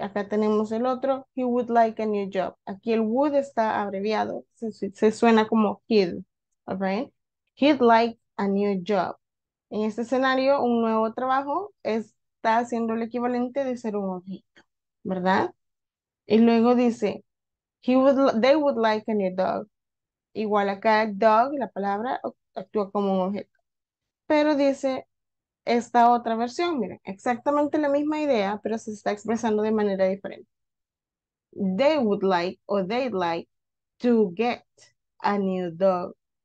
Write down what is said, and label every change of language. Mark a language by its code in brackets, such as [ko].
[es] Acá tenemos el otro. [en] He would like a new job. [es] Aquí el would está abreviado. Se suena como [en] he'd, alright? He'd like a new job. [es] En este escenario, un nuevo trabajo está haciendo el equivalente de ser un objeto, ¿verdad? Y luego dice, [en] they would like a new dog. [es] Igual acá, dog, la palabra, actúa como un objeto. Pero dice esta otra versión, miren, exactamente la misma idea, pero se está expresando de manera diferente. [en] They would like, o they'd like, to get a new dog.